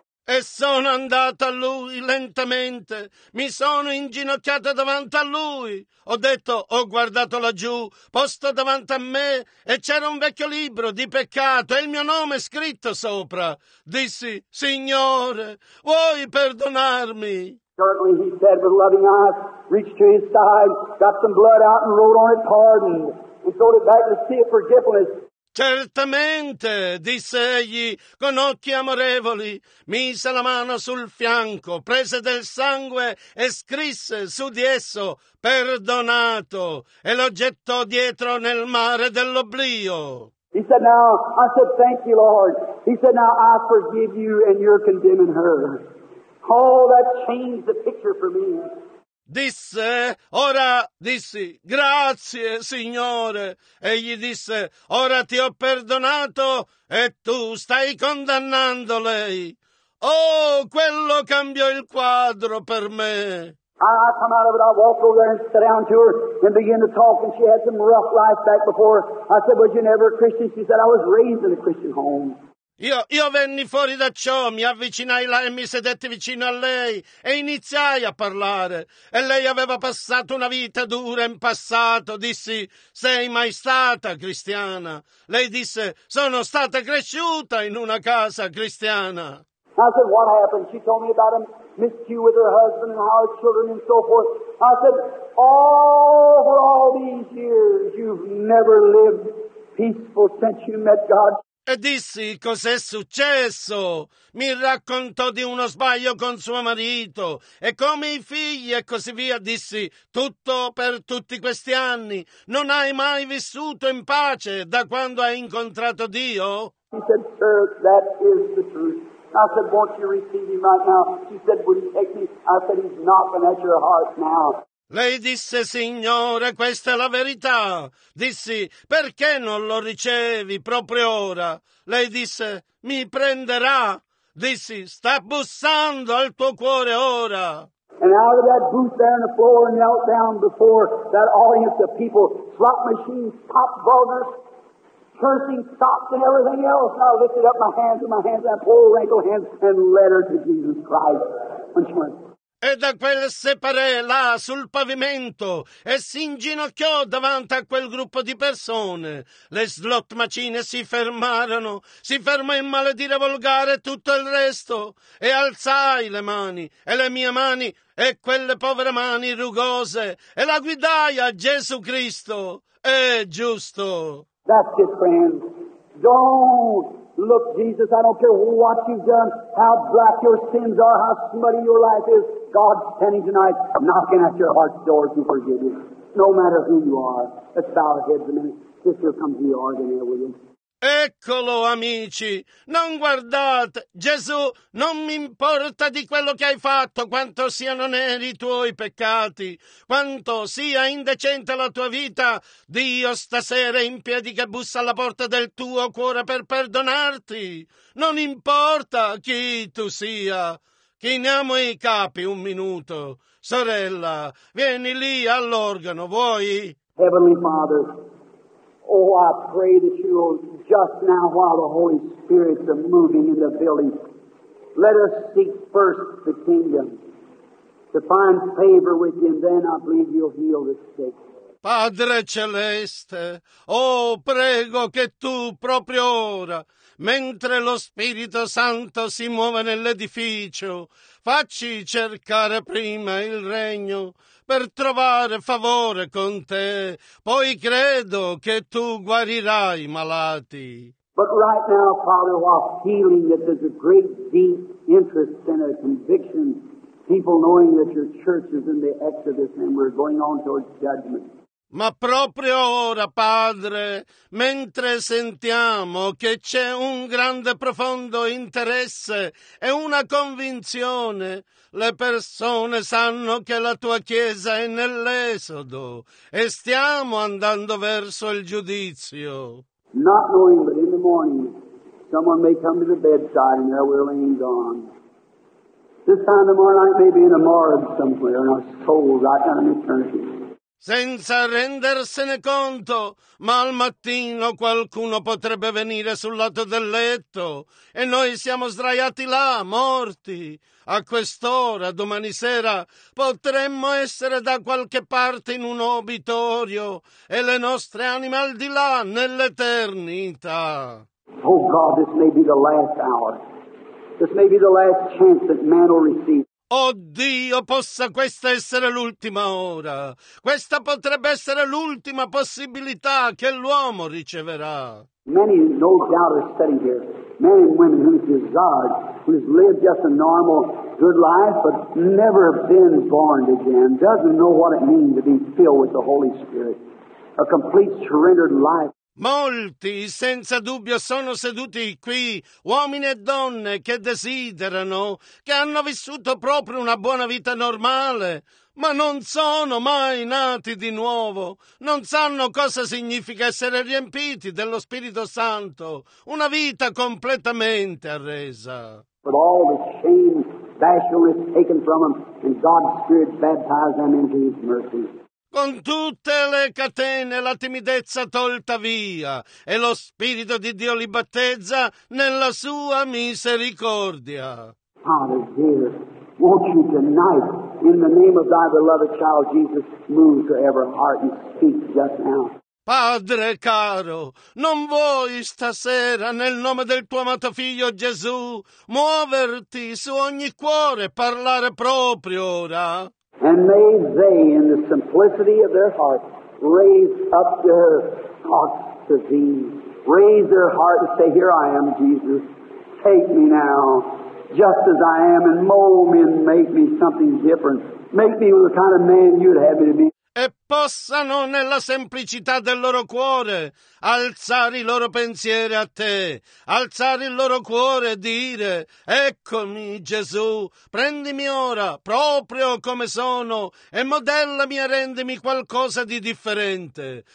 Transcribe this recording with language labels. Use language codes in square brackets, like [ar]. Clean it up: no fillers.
[it] E sono andato a lui lentamente, mi sono inginocchiato davanti a lui. Ho detto, ho guardato laggiù, posto davanti a me, e c'era un vecchio libro di peccato e il mio nome scritto sopra. Dissi, Signore, vuoi perdonarmi? [en] Certainly he said with loving eyes, reached to his side, got some blood out and wrote on it, pardon, and throw it back to see if forgiveness. [it] Certamente, disse egli, con occhi amorevoli, mise la mano sul fianco, prese del sangue e scrisse su di esso, perdonato, e lo gettò dietro nel mare dell'oblio. [en] He said, now, I said, thank you, Lord. He said, now, I forgive you and you're condemning her. Oh, that changed the picture for me. [it] Disse, ora dissi, grazie, Signore. Egli disse, ora ti ho perdonato e tu stai condannando lei. Oh, quello cambiò il quadro per me. [en] I come out of it, I walked over there and sat down to her and began to talk, and she had some rough life back before. I said, was you never a Christian? She said, I was raised in a Christian home. [it] Io venni fuori da ciò, mi avvicinai là e mi sedetti vicino a lei e iniziai a parlare. E lei aveva passato una vita dura in passato. Dissi, sei mai stata cristiana? Lei disse, sono stata cresciuta in una casa cristiana. [en] I said, what happened? She told me about a miscue with her husband and how her children and so forth. I said, for all these years you've never lived peaceful since you met God. [it] E dissi, cos'è successo? Mi raccontò di uno sbaglio con suo marito e come i figli e così via. Dissi, tutto per tutti questi anni. Non hai mai vissuto in pace da quando hai incontrato Dio? [en] He said, sir, that is the truth. I said, won't you receive him right now? She said, would he take me? I said, he's knocking at your heart now. [it] Lei disse, Signore, questa è la verità. Dissi, perché non lo ricevi proprio ora? Lei disse, mi prenderà. Dissi, sta bussando al tuo cuore ora. [en] And out of that booth there on the floor, knelt down before that audience of people, slot machines, pop vulgar, cursing, stops and everything else. And I lifted up my hands, that poor wrinkled hands, and led her to Jesus Christ. And she went, [it] e da quel separé là sul pavimento e si inginocchiò davanti a quel gruppo di persone. Le slot machine si fermarono, si fermò in maledire volgare tutto il resto, e alzai le mani e le mie mani e quelle povere mani rugose e la guidai a Gesù Cristo. È giusto. [en] That's it, friend. Don't look, Jesus, I don't care what you've done, how black your sins are, how smutty your life is. God's standing tonight, knocking at your heart's door to forgive you. No matter who you are, let's bow our heads a minute. Sister, come to the organ here with you. [it] Eccolo, amici, non guardate, Gesù, non mi importa di quello che hai fatto, quanto siano neri i tuoi peccati, quanto sia indecente la tua vita, Dio stasera è in piedi che bussa alla porta del tuo cuore per perdonarti. Non importa chi tu sia, chiniamo i capi un minuto. Sorella, vieni lì all'organo, vuoi? [en] Heavenly Father, oh, I pray that you will, just now while the Holy Spirit's moving in the building, let us seek first the kingdom to find favor with him. Then I believe you'll heal the sick. [it] Padre Celeste, oh, prego che tu proprio ora, mentre lo Spirito Santo si muove nell'edificio, facci cercare prima il regno per trovare favore con te, poi credo che tu guarirai i malati. [en] But right now, Father, while healing, that there's a great deep interest and a conviction, people knowing that your church is in the Exodus and we're going on towards judgment. [it] Ma proprio ora, Padre, mentre sentiamo che c'è un grande profondo interesse e una convinzione, le persone sanno che la tua Chiesa è nell'Esodo e stiamo andando verso il giudizio. [en] Not knowing, but in the morning, someone may come to the bedside and there we're laying gone. This time tomorrow night may be in a morgue somewhere in our soul, right down in eternity. [it] Senza rendersene conto, ma al mattino qualcuno potrebbe venire sul lato del letto e noi siamo sdraiati là, morti. A quest'ora, domani sera, potremmo essere da qualche parte in un obitorio e le nostre anime al di là, nell'eternità. [en] Oh God, this may be the last hour. This may be the last chance that man will receive. [it] Oh Dio, possa questa essere l'ultima ora. Questa potrebbe essere l'ultima possibilità che l'uomo riceverà. [en] Many, no doubt, are sitting here. Men and women who've desired, who've lived just a normal, good life, but never been born again, doesn't know what it means to be filled with the Holy Spirit. A complete surrendered life. [it] Molti, senza dubbio, sono seduti qui, uomini e donne che desiderano, che hanno vissuto proprio una buona vita normale, ma non sono mai nati di nuovo. Non sanno cosa significa essere riempiti dello Spirito Santo, una vita completamente arresa. [en] But all the shame, bashfulness taken from them, and God's Spirit baptized them into His mercy. [it] Con tutte le catene, la timidezza tolta via, e lo Spirito di Dio li battezza nella sua misericordia. [en] Father dear, won't you tonight, in the name of thy beloved child Jesus, move to every heart and speak just now? [it] Padre caro, non vuoi stasera, nel nome del tuo amato figlio Gesù, muoverti su ogni cuore e parlare proprio ora? [en] And may they, in the simplicity of their heart, raise up their thoughts to thee. Raise their heart and say, here I am, Jesus. Take me now, just as I am, and mold me and make me something different. Make me the kind of man you'd have me to be. [it] E possano, nella semplicità del loro cuore, alzare i loro pensieri a te, alzare il loro cuore e dire, eccomi Gesù, prendimi ora, proprio come sono, e modellami e rendimi qualcosa di differente.